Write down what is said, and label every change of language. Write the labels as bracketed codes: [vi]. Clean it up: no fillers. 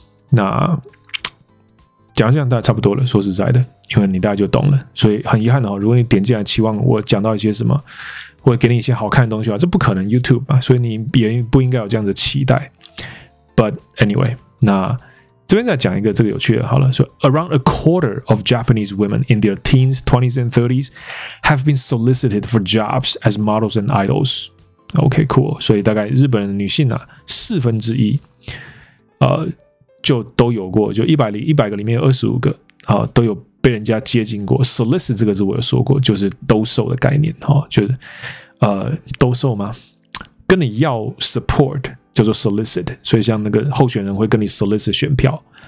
[zh] 那讲这样大概差不多了，说实在的，因为你大概就懂了。所以很遗憾的、哦、如果你点进来期望我讲到一些什么，或者给你一些好看的东西啊，这不可能 YouTube 嘛，所以你也不应该有这样的期待。 [en] But anyway, [zh] 那这边再讲一个这个有趣的，好了，说、 [en] so, around a quarter of Japanese women in their teens, 20s and 30s have been solicited for jobs as models and idols. OK, cool. [zh] 所以大概日本的女性啊，四分之一，就都有过，就100个里面有25个啊、都有被人家接近过。 Solicit 这个字我有说过，就是兜售的概念哈、哦，就是兜售吗？跟你要 support 叫做 solicit， 所以像那个候选人会跟你 solicit 选票。